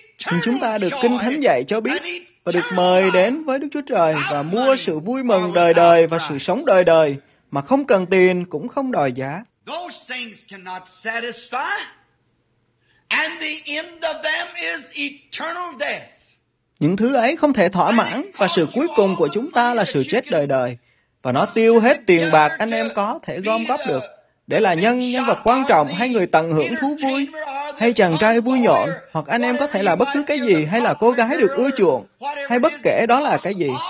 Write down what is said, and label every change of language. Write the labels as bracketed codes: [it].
[vi] Nhưng chúng ta được Kinh Thánh dạy cho biết và được mời đến với Đức Chúa Trời và mua sự vui mừng đời đời và sự sống đời đời mà không cần tiền cũng không đòi giá. [en] Those things cannot satisfy, and the end of them is eternal death. [vi] Những thứ ấy không thể thỏa mãn, và sự cuối cùng của chúng ta là sự chết đời đời. Và nó tiêu hết tiền bạc anh em có thể gom góp được, để là nhân vật quan trọng, hay người tận hưởng thú vui, hay chàng trai vui nhộn, hoặc anh em có thể là bất cứ cái gì, hay là cô gái được ưa chuộng, hay bất kể đó là cái gì.